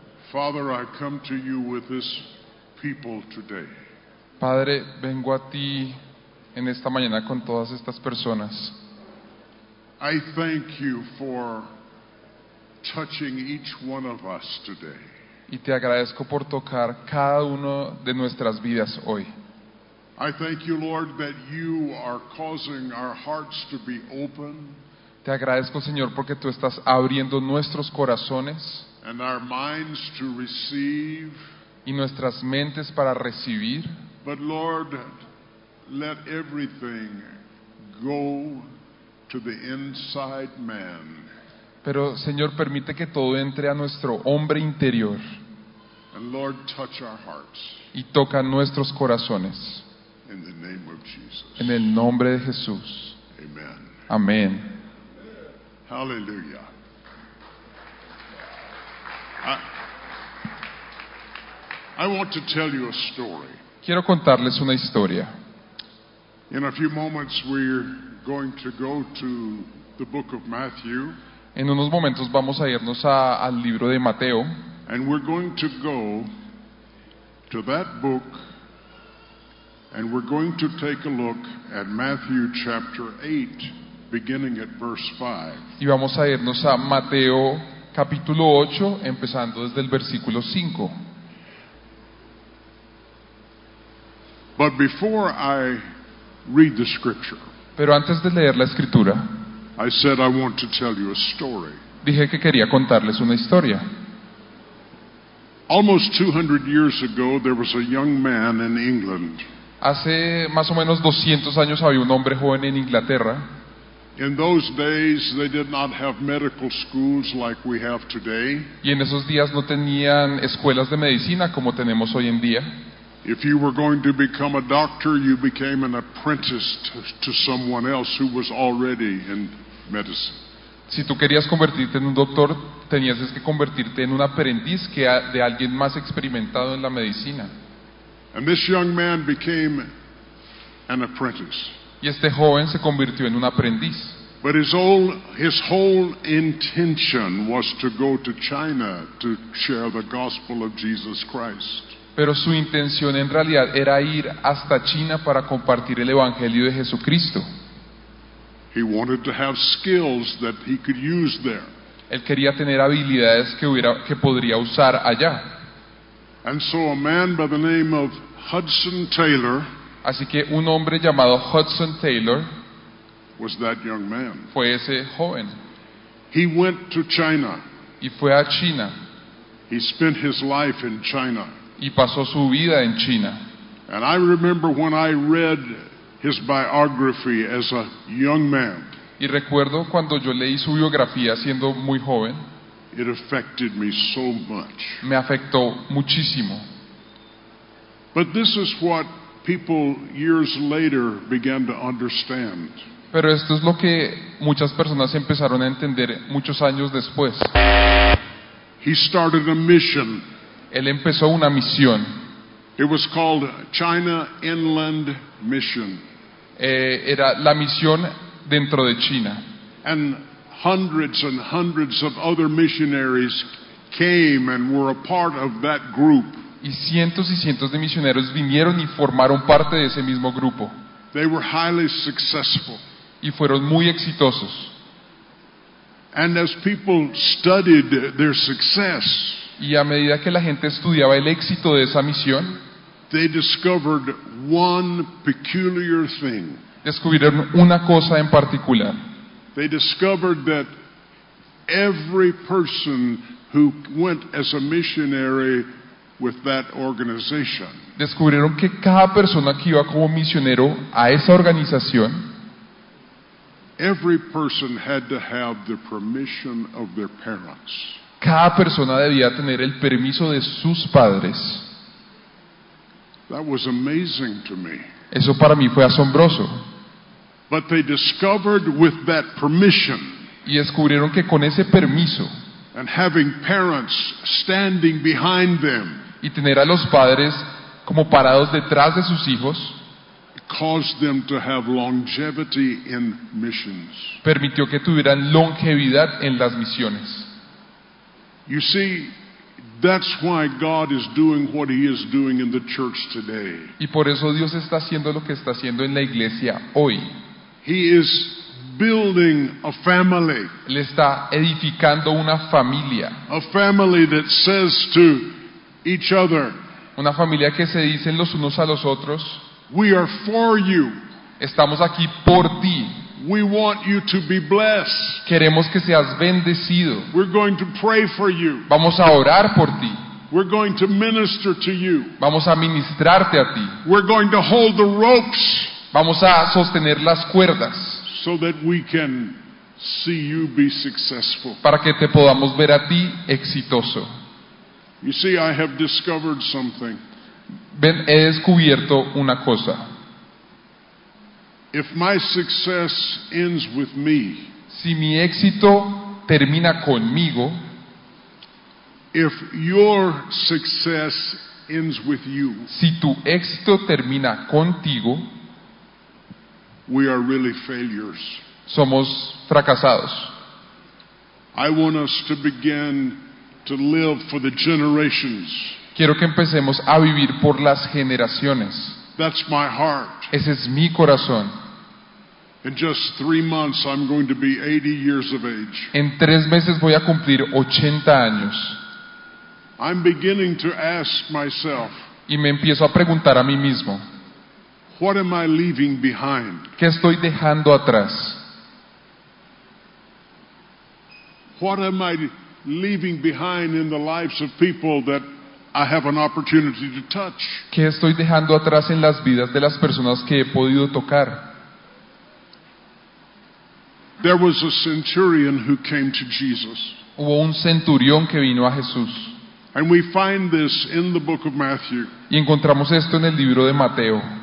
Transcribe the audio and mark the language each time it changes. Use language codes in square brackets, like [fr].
[en] Father, I come to you with this people today. [es] Padre, vengo a ti en esta mañana con todas estas personas. [en] I thank you for touching each one of us today. [es] Y te agradezco por tocar cada uno de nuestras vidas hoy. [en] I thank you, Lord, that you are causing our hearts to be open. [es] Te agradezco, Señor, porque tú estás abriendo nuestros corazones. [en] And our minds to receive. [es] Y nuestras mentes para recibir. [en] But Lord, let everything go to the inside man. [es] Pero Señor, permite que todo entre a nuestro hombre interior. [en] And Lord, touch our hearts. [es] Y toca nuestros corazones. [en] In the name of Jesus. [es] En el nombre de Jesús. [en] Amen. [es] Amén. [en] Hallelujah. I want to tell you a story. [es] Quiero contarles una historia. [en] In a few moments we're going to go to the book of Matthew. [es] En unos momentos vamos a irnos al libro de Mateo. [en] And we're going to go to that book and we're going to take a look at Matthew chapter 8 beginning at verse 5. [es] Y vamos a irnos a Mateo capítulo 8 empezando desde el versículo 5. [en] But before I read the scripture, [es] pero antes de leer la escritura, [en] I said I want to tell you a story. [es] Dije que quería contarles una historia. [en] Almost 200 years ago, there was a young man in England. [es] Hace más o menos 200 años había un hombre joven en Inglaterra. [en] In those days, they did not have medical schools like we have today. [es] Y en esos días no tenían escuelas de medicina como tenemos hoy en día. [en] If you were going to become a doctor, you became an apprentice to someone else who was already in medicine. [es] Si tú querías convertirte en un doctor, tenías que convertirte en un aprendiz de alguien más experimentado en la medicina. [en] And this young man became an apprentice. [es] Y este joven se convirtió en un aprendiz. [en] But his whole intention was to go to China to share the gospel of Jesus Christ. [es] Pero su intención en realidad era ir hasta China para compartir el Evangelio de Jesucristo. [en] He wanted to have skills that he could use there. [es] Él quería tener habilidades que podría usar allá. [en] And so a man by the name of Hudson Taylor, [es] así que un hombre llamado Hudson Taylor [en] was that young man. [es] Fue ese joven. [en] He went to China. [es] Y fue a China. [en] He spent his life in China. [es] Y pasó su vida en China. [en] And I remember when I read his biography as a young man. [es] Y recuerdo cuando yo leí su biografía siendo muy joven. [en] It affected me so much. [es] Me afectó muchísimo. [en] But this is what people years later began to understand. [es] Pero esto es lo que muchas personas empezaron a entender muchos años después. [en] He started a mission. [es] Él empezó una misión. [en] It was called China Inland Mission. [es] Era la misión dentro de China. [en] And hundreds and hundreds of other missionaries came and were a part of that group. [es] Y cientos de misioneros vinieron y formaron parte de ese mismo grupo. [en] They were highly successful. [es] Y fueron muy exitosos. [en] And as people studied their success, [es] y a medida que la gente estudiaba el éxito de esa misión, [en] they discovered one peculiar thing. [es] Descubrieron una cosa en particular. [en] They discovered that every person who went as a missionary with that organization, [es] descubrieron que cada persona que iba como misionero a esa organización, [en] every person had to have the permission of their parents. [es] Cada persona debía tener el permiso de sus padres. [en] That was amazing to me. [es] Eso para mí fue asombroso. [en] But they discovered with that permission, [es] y descubrieron que con ese permiso, [en] and having parents standing behind them, [es] y tener a los padres como parados detrás de sus hijos, [en] caused them to have longevity in missions. [es] Permitió que tuvieran longevidad en las misiones. [en] You see, that's why God is doing what He is doing in the church today. [es] Y por eso Dios está haciendo lo que está haciendo en la iglesia hoy. [en] He is building a family. [es] Le está edificando una familia. [en] A family that says to each other. [es] Una familia que se dicen los unos a los otros. [en] We are for you. [es] Estamos aquí por ti. [en] We want you to be blessed. [es] Queremos que seas bendecido. [en] We're going to pray for you. [es] Vamos a orar por ti. [en] We're going to minister to you. [es] Vamos a ministrarte a ti. [en] We're going to hold the ropes. [es] Vamos a sostener las cuerdas. [en] So that we can see you be successful. [es] Para que te podamos ver a ti exitoso. [en] You see, I have discovered something. [es] Ven, he descubierto una cosa. [en] If my success ends with me, [es] si mi éxito termina conmigo, [en] if your success ends with you, [es] si tu éxito termina contigo, [en] we are really failures. [es] Somos fracasados. [en] I want us to begin to live for the generations. [es] Quiero que empecemos a vivir por las generaciones. [en] That's my heart. [es] Ese es mi corazón. [en] In just 3 months, I'm going to be 80 years of age. [es] En 3 meses voy a cumplir 80 años. [en] I'm beginning to ask myself. [es] Y me empiezo a preguntar a mí mismo. [en] What am I leaving behind? [es] ¿Qué estoy dejando atrás? [en] What am I leaving behind in the lives of people that I have an opportunity to touch? [es] ¿Qué estoy dejando atrás en las vidas de las personas que he podido tocar? [en] There was a centurion who came to Jesus. [es] Hubo un centurión que vino a Jesús. [en] And we find this in the book of Matthew. [es] Y encontramos esto en el libro de Mateo.